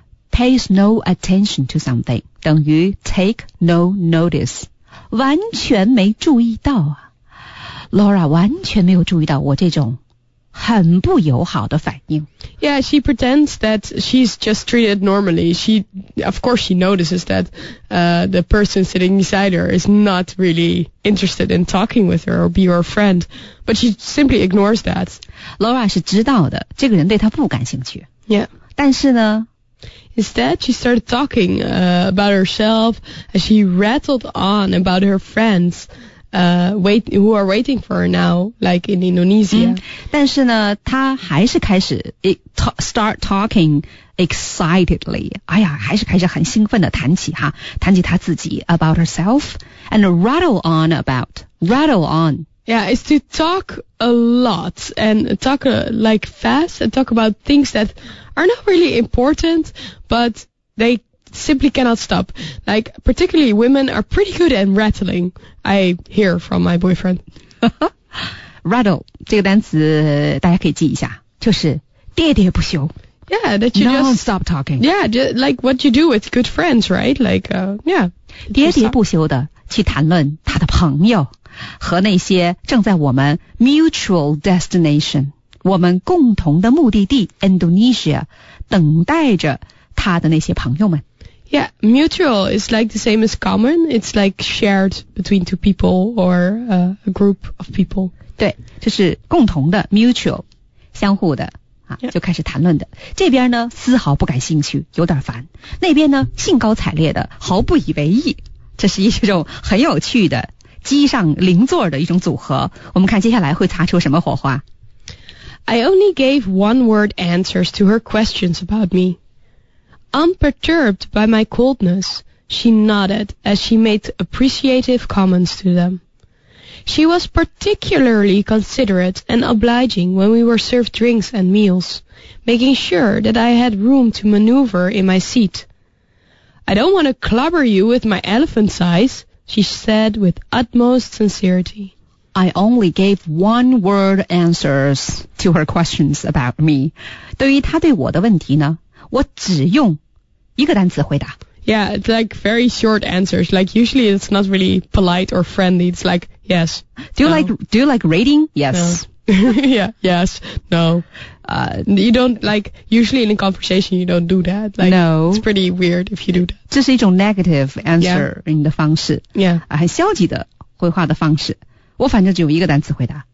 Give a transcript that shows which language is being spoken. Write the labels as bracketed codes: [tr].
[en] Pays no attention to something [zh] 等于 [en] take no notice [zh] 完全没注意到啊 Laura 完全没有注意到我这种很不友好的反应 [en] Yeah, she pretends that she's just treated normally She, of course she notices that、the person sitting beside her is not really interested in talking with her or be her friend But she simply ignores that [zh] Laura 是知道的这个人对她不感兴趣 [en] Yeah [zh] 但是呢 [en] Instead, she started talking, about herself, and she rattled on about her friends, who are waiting for her now, like in Indonesia.、 [zh] 嗯、但是呢她还是开始 [en] start talking excitedly. [zh] 哎呀还是开始很兴奋地谈起哈谈起她自己 [en] about herself, and rattle on about, rattle on. Yeah, it's to talk a lot and talk、like fast and talk about things that are not really important, but they simply cannot stop. Like, particularly women are pretty good at rattling, I hear from my boyfriend. [zh] Rattle, 这个单词大家可以记一下就是喋喋不休。 [en] Yeah, that you just... Non-stop talking. Yeah, just, like what you do with good friends, right? Like, yeah. [zh] 喋喋不休的去谈论他的朋友。和那些正在我们 [en] mutual destination [zh] 我们共同的目的地 Indonesia 等待着他的那些朋友们 [en] Yeah, mutual is like the same as common It's like shared between two people or a group of people [zh] 对就是共同的 mutual 相互的、啊 [en] yeah. [zh] 就开始谈论的这边呢丝毫不感兴趣有点烦那边呢兴高采烈的毫不以为意这是一种很有趣的机上邻座的一种组合我们看接下来会擦出什么火花 [en] I only gave one word answers to her questions about me Unperturbed by my coldness She nodded as she made appreciative comments to them She was particularly considerate and obliging when we were served drinks and meals Making sure that I had room to maneuver in my seat I don't want to clobber you with my elephant size,She said with utmost sincerity. I only gave one word answers to her questions about me. 对于她对我的问题呢，我只用一个单词回答。 Yeah, it's like very short answers. Like usually it's not really polite or friendly. It's like, yes. Do you like reading? Yes. No. yeah, yes, no. You don't like, usually in a conversation you don't do that. Like, no. It's pretty weird if you do that. [zh] 这是一种 [en] negative answering [zh] 的方式。 [en] Yeah. [zh] 很消极的回话的方式。我反正只有一个单词回答。